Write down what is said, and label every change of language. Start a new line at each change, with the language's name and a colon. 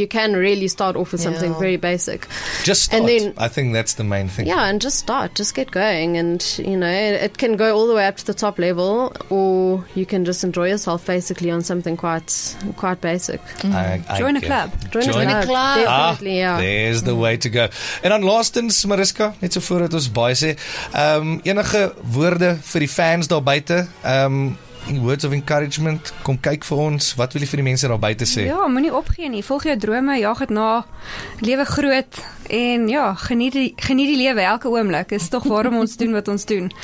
English: You can really start off with something very basic. Just start. And then, I think that's the main thing. Yeah, and just start. Just get going. And, it can go all the way up to the top level, or you can just enjoy yourself basically on something quite basic. Mm-hmm. Join a club. Join a club. Definitely, There's the way to go.
Afrikaans: And on last in Mariska, net so voordat ons baie sê, enige woorde vir die fans daar buite,
English: in words of encouragement,
Afrikaans: kom kyk vir ons, wat wil jy vir die mense daar buite sê? Ja, moenie opgee nie, volg jou drome, jaag het na, lewe groot, en geniet die lewe elke oomblik, is toch waarom ons doen wat ons doen.